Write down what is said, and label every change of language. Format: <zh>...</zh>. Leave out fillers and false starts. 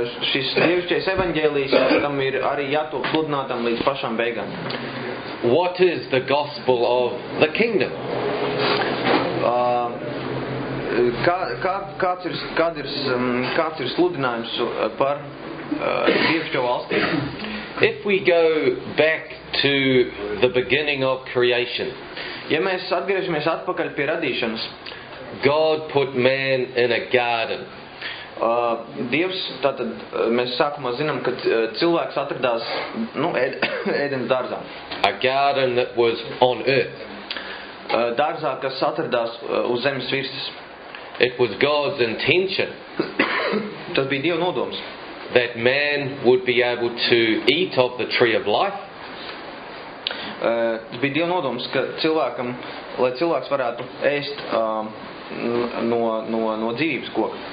<lv>Šis dievišķais evaņģēlijs tam ir arī jātop sludinātam līdz pašam beigam.</lv> <en>What is the gospel of the kingdom?</en> <lv>Kāds ir sludinājums par dievišķo valstī?</lv> <en>If we go back to the beginning of creation.</en> <lv>Ja mēs atgriežamies atpakaļ pie radīšanas.</lv> <en>God put man in a garden.</en> <lv>Dievs, tātad mēs sākumā zinām, ka cilvēks atradās, nu, Ēdens dārzā.</lv> <en>A garden that was on earth.</en> <lv>Dārzā, kas atradās uz zemes virsas.</lv> <en>It was God's intention.</en> <lv>Tas bija Dieva nodoms.</lv> <en>That man would be able to eat of the tree of life.</en> <lv>Tas bija Dieva nodoms, ka cilvēkam, lai cilvēks varētu ēst no dzīvības koka.</lv>